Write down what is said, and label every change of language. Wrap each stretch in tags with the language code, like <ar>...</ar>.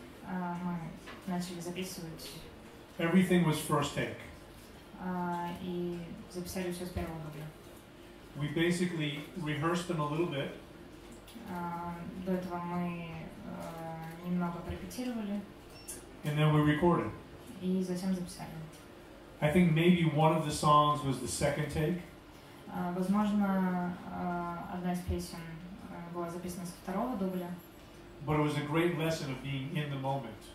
<ru>мы начали записывать.</ru> <en>Everything was first take.</en> <ru>И записали все с первого дубля.</ru> <en>We basically rehearsed them a little bit.</en> <ru>До этого мы немного репетировали.</ru> <en>And then we recorded.</en> <ru>И затем записали.</ru> <en>I think maybe one of the songs was the second take.</en> <ru>Возможно, одна из песен была записана со второго дубля.</ru> <en>But it was a great lesson of being in the moment.</en>